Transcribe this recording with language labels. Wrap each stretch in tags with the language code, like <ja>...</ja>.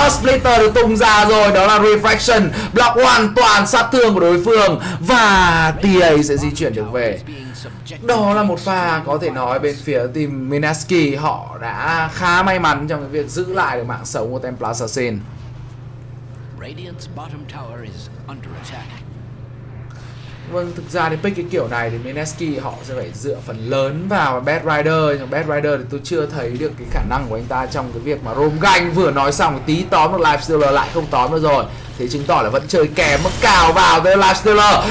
<vi>Splitter được tung ra rồi, đó là Refraction block hoàn toàn sát thương của đối phương và TA sẽ di chuyển được về. Đó là một pha có thể nói bên phía team Mineski họ đã khá may mắn trong cái việc giữ lại được mạng sống của Temple Assassin.</vi> <en>Radiant's bottom tower is under attack.</en> <vi>Vâng, thực ra thì pick cái kiểu này thì Mineski họ sẽ phải dựa phần lớn vào Bad Rider. Nhưng Bad Rider thì tôi chưa thấy được cái khả năng của anh ta trong cái việc mà roam gank. Vừa nói xong tí tóm được Lifestealer lại không tóm được rồi. Thế chứng tỏ là vẫn chơi kém, mức cào vào tới Lifestealer.</vi>